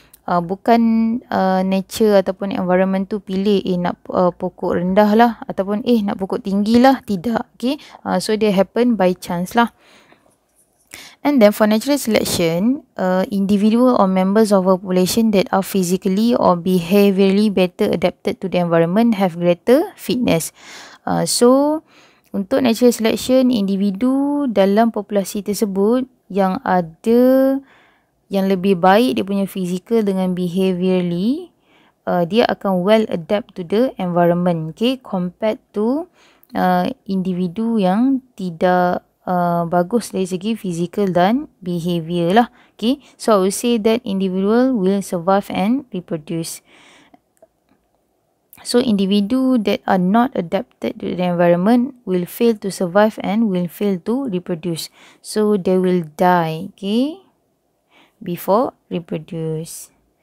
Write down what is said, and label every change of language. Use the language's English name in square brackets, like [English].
[Malay] Bukan nature ataupun environment tu pilih nak pokok rendah lah ataupun nak pokok tinggi lah, tidak, okay? [English] So dia happen by chance lah. And then for natural selection, individual or members of a population that are physically or behaviorally better adapted to the environment have greater fitness. [Malay] So, untuk natural selection, individu dalam populasi tersebut yang ada yang lebih baik dia punya physical dengan behaviorally, dia akan [English] well adapt to the environment, [Malay] okay? Compared to individu yang tidak bagus dari segi physical dan behavior lah, okay? [English] So, I will say that individual will survive and reproduce. So, individu that are not adapted to the environment will fail to survive and will fail to reproduce. So, they will die, okay, before reproduce.